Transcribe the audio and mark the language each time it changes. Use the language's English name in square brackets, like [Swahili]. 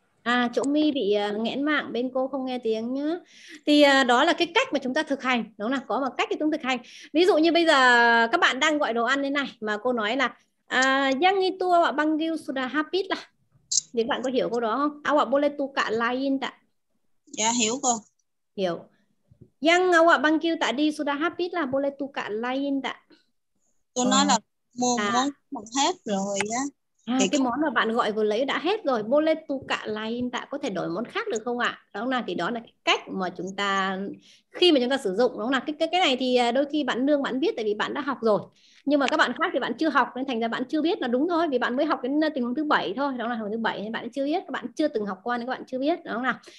[Vietnamese] À, chỗ Mi bị nghẽn mạng bên cô không nghe tiếng nhá. Thì đó là cái cách mà chúng ta thực hành, đúng là có một cách để chúng thực hành. Ví dụ như bây giờ các bạn đang gọi đồ ăn thế này mà cô nói là [Malay] yang itu awak panggil sudah habis lah. [Vietnamese] Thì các bạn có hiểu câu đó không? [Malay] Awak boleh tukar lain tak? [Vietnamese] Dạ hiểu cô. Hiểu. [Malay] Yang awak panggil tadi sudah habis lah, boleh tukar lain tak? [Vietnamese] Tôi nói là món hết rồi á. Cái món mà bạn gọi vừa lấy đã hết rồi, [Malay] boleh tukar lain tak, [Vietnamese] có thể đổi món khác được không ạ? Đó là thì đó là cái cách mà chúng ta khi mà chúng ta sử dụng, đúng là cái này thì đôi khi bạn nương bạn biết tại vì bạn đã học rồi. Nhưng mà các bạn khác thì bạn chưa học nên thành ra bạn chưa biết là đúng thôi, vì bạn mới học đến tình huống thứ 7 thôi, đó là tình huống thứ 7 nên bạn chưa biết, các bạn chưa từng học qua nên các bạn chưa biết, đúng không nào?